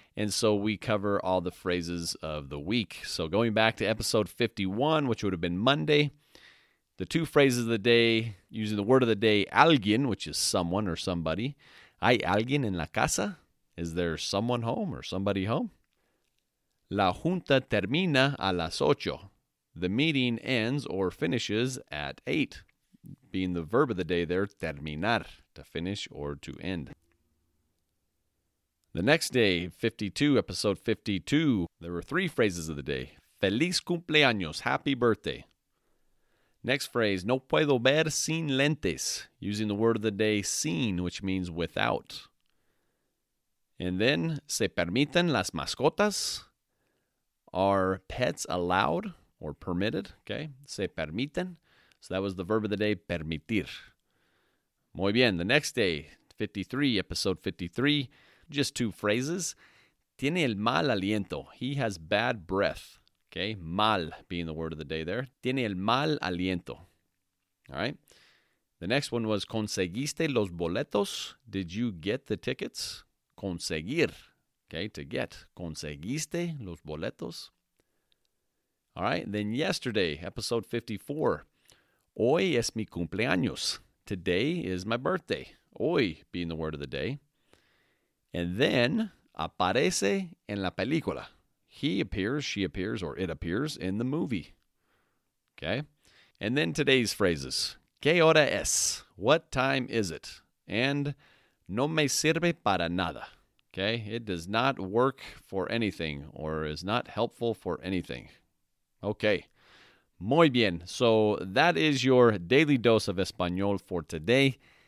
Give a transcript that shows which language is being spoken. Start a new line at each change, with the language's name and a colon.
English: And so we cover all the phrases of the week. So going back to episode 51, which would have been Monday, the two phrases of the day, using the word of the day, alguien, which is someone or somebody.
Spanish: ¿Hay alguien en la casa?
English: Is there someone home or somebody home?
Spanish: La junta termina a las ocho.
English: The meeting ends or finishes at 8, being the verb of the day there, terminar, to finish or to end. The next day, 52, episode 52, there were three phrases of the day.
Spanish: Feliz cumpleaños,
English: happy birthday. Next phrase,
Spanish: no puedo ver sin lentes,
English: using the word of the day, sin, which means without. And then,
Spanish: ¿se permiten las mascotas?
English: Are pets allowed or permitted? Okay,
Spanish: se permiten.
English: So that was the verb of the day, permitir.
Spanish: Muy bien,
English: the next day, 53, episode 53, just two phrases.
Spanish: Tiene el mal aliento,
English: he has bad breath. Okay, mal being the word of the day there.
Spanish: Tiene el mal aliento.
English: All right. The next one was,
Spanish: ¿conseguiste los boletos?
English: Did you get the tickets? Conseguir. Okay, to get.
Spanish: ¿Conseguiste los boletos?
English: All right. Then yesterday, episode 54.
Spanish: Hoy es mi cumpleaños.
English: Today is my birthday. Hoy being the word of the day. And then,
Spanish: aparece en la película.
English: He appears, she appears, or it appears in the movie. Okay? And then today's phrases.
Spanish: ¿Qué hora es?
English: What time is it?
Spanish: And no me sirve para nada.
English: Okay? It does not work for anything or is not helpful for anything. Okay.
Spanish: Muy bien.
English: So that is your daily dose of español for today.